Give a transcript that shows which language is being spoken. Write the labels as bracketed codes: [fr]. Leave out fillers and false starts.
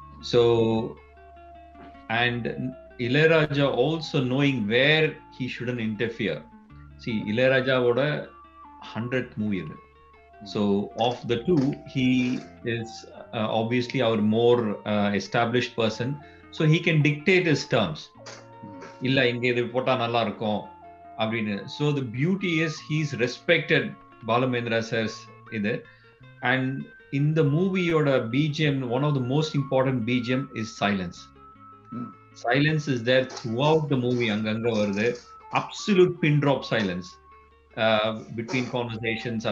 [en] So, and Elayaraja also knowing where he shouldn't interfere. See, Elayaraja would have 100th movie. So, of the two, he is obviously our more established person. So he can dictate his terms. [ta] இல்ல இங்க இது போட்டா நல்லா இருக்கும் அப்படின்னு. [en] So the beauty is he is respected Balamendra sir's இது. And in the movie-ஓட BGM, one of the most important BGM is silence. Silence is there throughout the movie. [ta] அங்கங்க வருது. [en] Absolute pin drop silence between conversations.